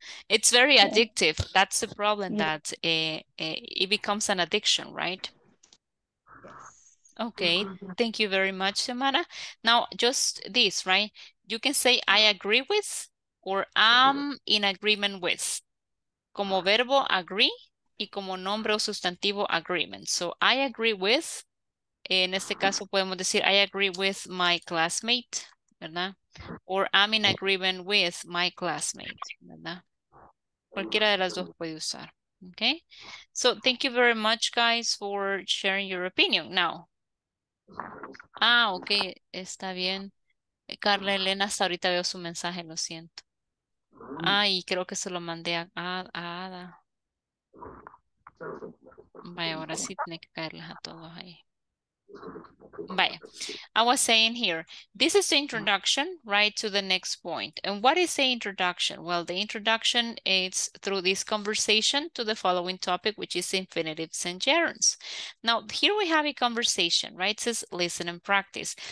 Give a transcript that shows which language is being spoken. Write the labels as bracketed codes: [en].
[en] It's very addictive. That's the problem, that it becomes an addiction, right? Okay, thank you very much, Xiomara. Now, just this, right? You can say, I agree with, or I'm in agreement with. [es] Como verbo, agree, y como nombre o sustantivo, agreement. [en] So, I agree with, [es] en este caso podemos decir, [en] I agree with my classmate, ¿verdad? Or I'm in agreement with my classmate, ¿verdad? [es] Cualquiera de las dos puede usar. Okay. [en] So thank you very much, guys, for sharing your opinion. [es] Now. Ah, okay. Está bien. Carla Elena, hasta ahorita veo su mensaje, lo siento. Ay, creo que se lo mandé a Ada. Vaya, ahora sí tiene que caerles a todos ahí. [en] Vaya. I was saying here, this is the introduction, right, to the next point. And what is the introduction? Well, the introduction is through this conversation to the following topic, which is infinitives and gerunds. Now, here we have a conversation, right? It says listen and practice.